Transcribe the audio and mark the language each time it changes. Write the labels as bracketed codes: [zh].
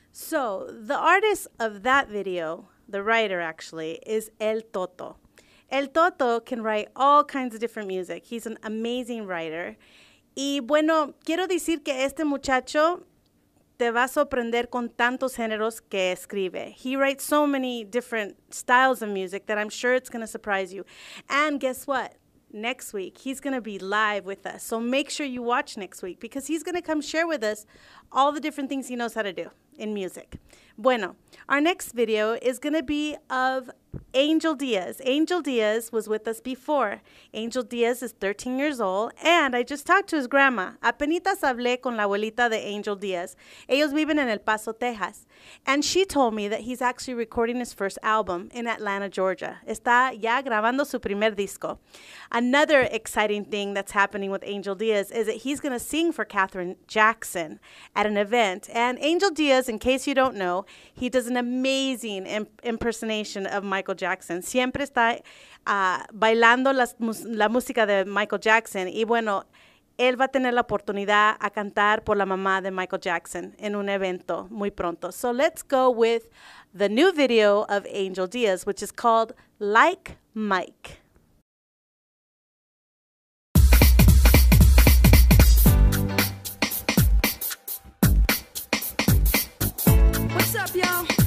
[en] The artist of that video, the writer actually, is El Toto. El Toto can write all kinds of different music. He's an amazing writer. [es] Y bueno, quiero decir que este muchacho te va a sorprender con tantos géneros que escribe. [en] He writes so many different styles of music that I'm sure it's going to surprise you. And guess what? Next week, he's going to be live with us. So make sure you watch next week because he's going to come share with us all the different things he knows how to do in music. Bueno, our next video is going to be of Angel Diaz. Angel Diaz was with us before. Angel Diaz is 13 years old, and I just talked to his grandma. [es] Apenitas hablé con la abuelita de Angel Diaz. Ellos viven en El Paso, Texas. [en] And she told me that he's actually recording his first album in Atlanta, Georgia. [es] Está ya grabando su primer disco. [en] Another exciting thing that's happening with Angel Diaz is that he's going to sing for Katherine Jackson at an event. And Angel Diaz, in case you don't know, he does an amazing impersonation of Michael Jackson. [es] Siempre está bailando la música de Michael Jackson. Y bueno, él va a tener la oportunidad a cantar por la mamá de Michael Jackson en un evento muy pronto. [en] So let's go with the new video of Angel Diaz, which is called Like Mike. What's up, y'all?